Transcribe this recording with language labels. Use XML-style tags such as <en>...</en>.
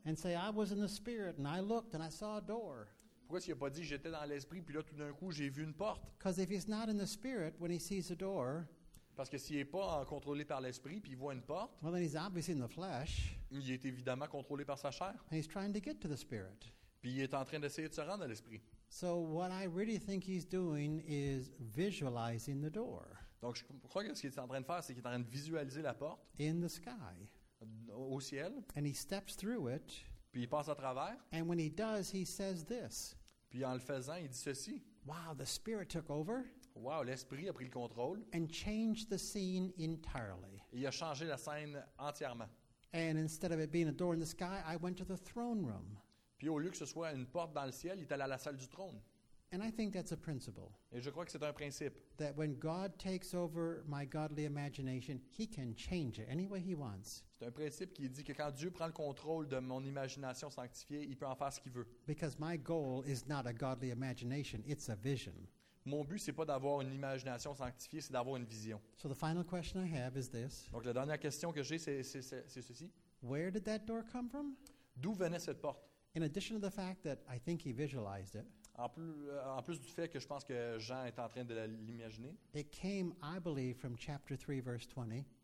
<en>And say, « I was in the spirit, and I looked, and I saw a door. »</en> <fr>Pourquoi est-ce qu'il n'a pas dit, « J'étais dans l'esprit, puis là, tout d'un coup, j'ai vu une porte. »</fr> <en>Because if he's not in the spirit, when he sees a door,</en> <fr>parce que s'il n'est pas contrôlé par l'esprit, puis il voit une porte,</fr> <en>well, then he's obviously in the flesh.</en> <fr>Il est évidemment contrôlé par sa chair.</fr> <en>And he's trying to get to the spirit.</en> <fr>Puis il est en train d'essayer de se rendre à l'esprit.</fr> <en>So what I really think he's doing is visualizing the door.</en> <fr>Donc je crois que ce qu'il est en train de faire, c'est qu'il est en train de visualiser la porte.</fr> <en>In the sky.</en> <fr>Au ciel.</fr> <en>And he steps through it.</en> <fr>Puis il passe à travers.</fr> <en>And when he does, he says this.</en> <fr>Puis en le faisant, il dit ceci.</fr> <en>Wow, the spirit took over.</en> <fr>Wow, l'esprit a pris le contrôle.</fr> <en>And changed the scene entirely.</en> <fr>Et il a changé la scène entièrement.</fr> <en>And instead of it being a door in the sky, I went to the throne room.</en> <fr>Puis au lieu que ce soit une porte dans le ciel, il est allé à la salle du trône.</fr> <en>And I think that's a principle.</en> <fr>Et je crois que c'est un principe.</fr> <en>That when God takes over my godly imagination, he can change it any way he wants.</en> <fr>C'est un principe qui dit que quand Dieu prend le contrôle de mon imagination sanctifiée, il peut en faire ce qu'il veut.</fr> <en>Because my goal is not a godly imagination, it's a vision.</en> <fr>Mon but, c'est pas d'avoir une imagination sanctifiée, c'est d'avoir une vision.</fr> <en>So the final question I have is this.</en> <fr>Donc la dernière question que j'ai, c'est ceci.</fr> <en>Where did that door come from?</en> <fr>D'où venait cette porte?</fr> <en>In addition to the fact that I think he visualized it,</en> <fr>en plus du fait que je pense que Jean est en train de l'imaginer,</fr> <en>it came, I believe, from chapter 3, verse 20.</en>